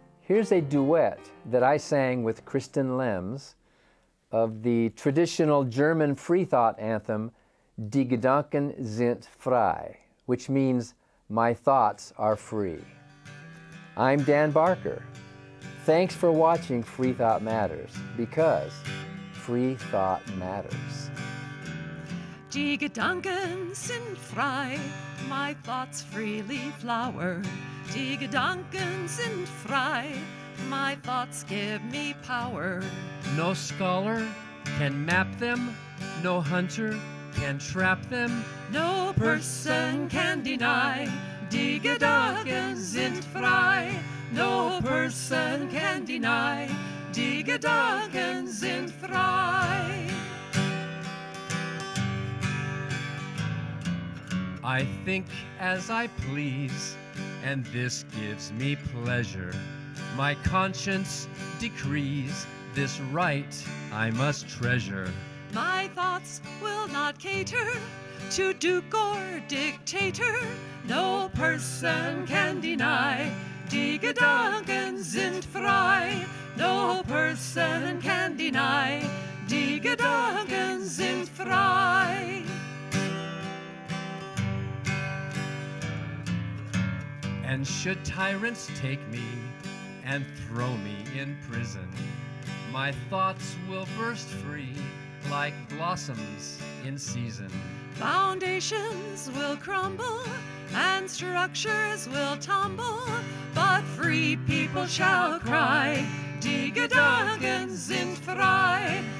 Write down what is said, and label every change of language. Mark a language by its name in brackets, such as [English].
[English] Here's a duet that I sang with Kristin Lems of the traditional German Freethought anthem, [German] Die Gedanken sind frei, [English] which means my thoughts are free. I'm Dan Barker. Thanks for watching Freethought Matters, because Freethought matters. [German] Die Gedanken sind frei, [English] my thoughts freely flower. [German] Die Gedanken sind frei, [English] my thoughts give me power. No scholar can map them, no hunter can trap them. No person can deny, [German] die Gedanken sind frei. [English] No person can deny, [German] die Gedanken sind frei. [English] I think as I please, and this gives me pleasure. My conscience decrees this right I must treasure. My thoughts will not cater to duke or dictator. No person can deny, [German] die Gedanken sind frei. [English] No person can deny, [German] die Gedanken sind frei. [English] And should tyrants take me and throw me in prison, my thoughts will burst free like blossoms in season. Foundations will crumble and structures will tumble, but free people shall cry, [German] die Gedanken sind frei.